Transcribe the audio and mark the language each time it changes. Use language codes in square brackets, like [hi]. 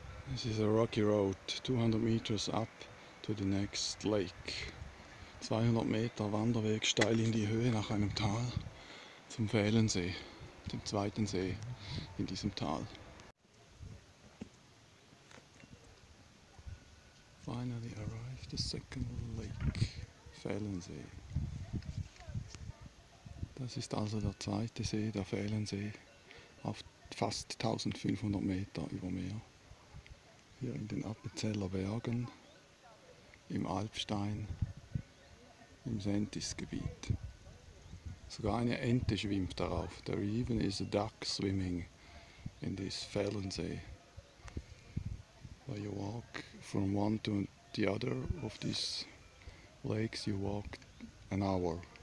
[en] This is a rocky road, 200 meters up to the next lake. [de] 200 Meter Wanderweg steil in die Höhe nach einem Tal zum Fehlensee, dem zweiten See in diesem Tal. [en] Finally arrived the second lake, Fehlensee. [de] Das ist also der zweite See, der Fehlensee, auf fast 1500 Meter über Meer. Hier in den Appenzeller Bergen, im Alpstein, im Sentisgebiet. Sogar eine Ente schwimmt darauf. [en] There even is a duck swimming in this Fehlensee. Where you walk from one to the other of these lakes, you walk an hour.